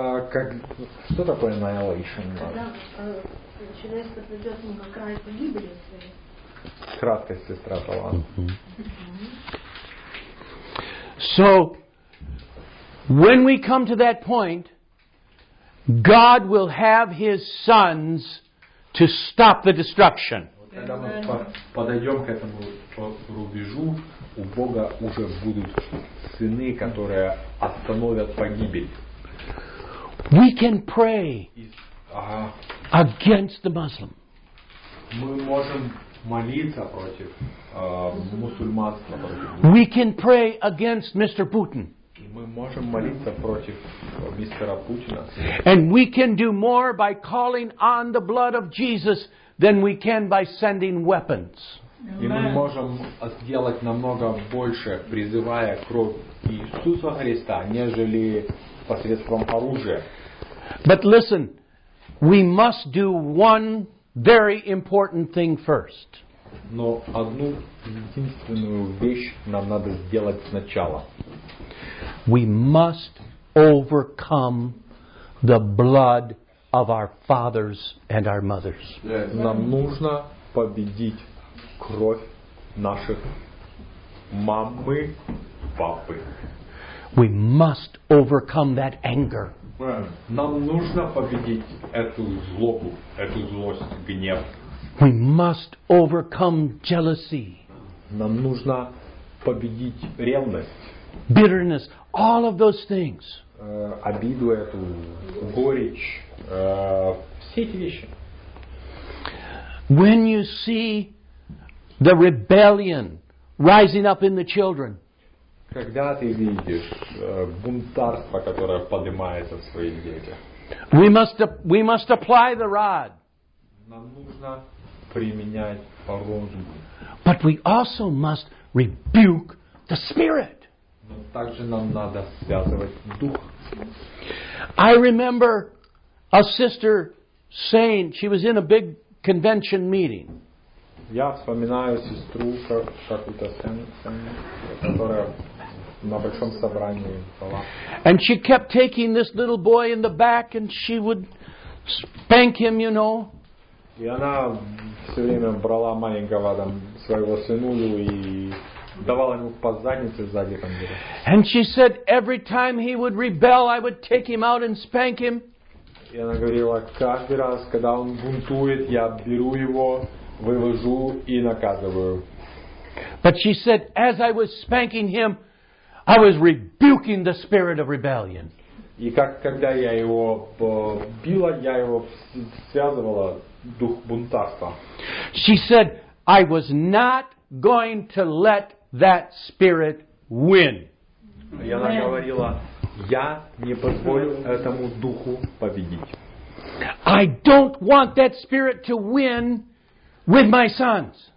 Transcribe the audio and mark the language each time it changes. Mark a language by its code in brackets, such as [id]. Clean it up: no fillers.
[ru] как что такое annihilation? Когда человек придет на какая-то гибель. Краткость, сестра Талан. [en] So when we come to that point, God will have His sons to stop the destruction. [ru] Когда мы подойдем к этому рубежу, у Бога уже будут сыны, которые остановят погибель. [en] We can pray against the Muslim. [ru] Мы можем молиться против мусульманства. [en] We can pray against Mr. Putin. [ru] Мы можем молиться против мистера Путина. [en] And we can do more by calling on the blood of Jesus than we can by sending weapons. [ru] И мы можем сделать намного больше, призывая кровь Иисуса Христа, нежели посредством оружия. [en] But listen, we must do one very important thing first. [ru] Но одну единственную вещь нам надо сделать сначала. [en] We must overcome the blood of our fathers and our mothers. [ru] Нам нужно победить кровь наших мамы, папы. [en] We must overcome that anger. [ru] Нам нужно победить эту злобу, эту злость, гнев. [en] We must overcome jealousy. [ru] Нам нужно победить ревность. [en] Bitterness, all of those things. [ru] Обиду эту, горечь, все эти вещи. [en] When you see the rebellion rising up in the children, [ru] когда ты видишь бунтарство, которое поднимается в своих детях. [en] We must apply the rod. [ru] Нам нужно применять по-розуму. [en] But we also must rebuke the spirit. [ru] Но также нам надо связывать дух. [en] I remember a sister saying she was in a big convention meeting. [ru] Я вспоминаю сестру какую-то которая на большом собрании была. [en] And she kept taking this little boy in the back and she would spank him, you know. [ru] И она все время брала маленького там своего сыну и давала ему по заднице сзади там. [en] And she said every time he would rebel, I would take him out and spank him. [ru] И она говорила, каждый раз, когда он бунтует, я беру его, вывожу и наказываю. [en] But she said as I was spanking him, I was rebuking the spirit of rebellion. [ru] И как когда я его била, я его связывала дух бунтарства. [en] She said, "I was not going to let that spirit win." [ru] И она говорила, я не позволю этому духу победить. [en] I don't want that spirit to win with my sons.